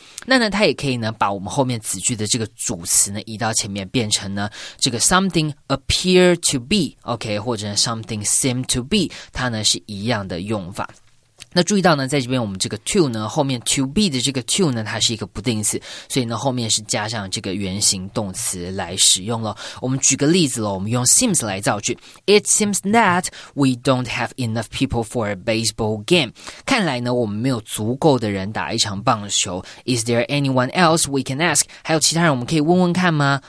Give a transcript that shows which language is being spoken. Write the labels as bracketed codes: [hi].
[zh] 那呢它也可以呢把我们后面子句的这个主词呢移到前面，变成呢这个 something appear to be， OK， 或者 something seem to be， 它呢是一样的用法。那注意到呢，在这边我们这个 to 呢，后面 to be 的这个 to 呢，它是一个不定词，所以呢，后面是加上这个原形动词来使用了。我们举个例子了，我们用 seems 来造句。 [en] It seems that we don't have enough people for a baseball game. [zh] 看来呢，我们没有足够的人打一场棒球。 [en] Is there anyone else we can ask? [zh] 还有其他人我们可以问问看吗？